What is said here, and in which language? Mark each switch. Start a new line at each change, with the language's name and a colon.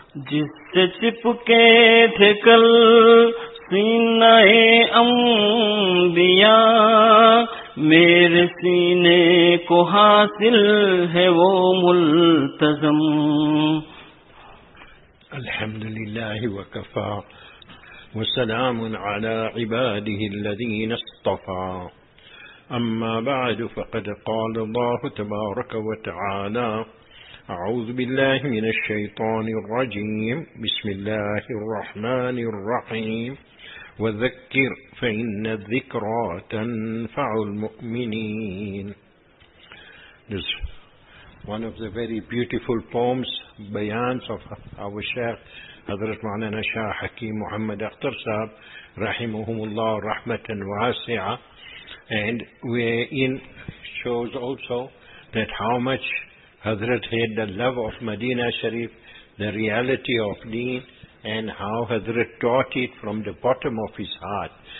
Urdu: جس سے چپکے تھے کل سینے انبیاء، میرے سینے کو حاصل ہے وہ ملتزم۔
Arabic: الحمدللہ وکفا وسلام على عباده الذين اصطفى، أما بعد، فقد قال الله تبارك وتعالى: أعوذ بالله من الشيطان الرجيم، بسم الله الرحمن الرحيم: وذكر فإن الذكرى تنفع المؤمنين.
English: This one of the very beautiful poems, bayans of our Shaykh Hazrat Maulana Shah Hakeem Muhammad Akhtar Sahib
Arabic: رحمہم اللہ رحمۃ واسعہ،
English: And wherein shows also that how much Hazrat had the love of Medina شریف, the reality of deen, and how Hazrat taught it from the bottom of his heart.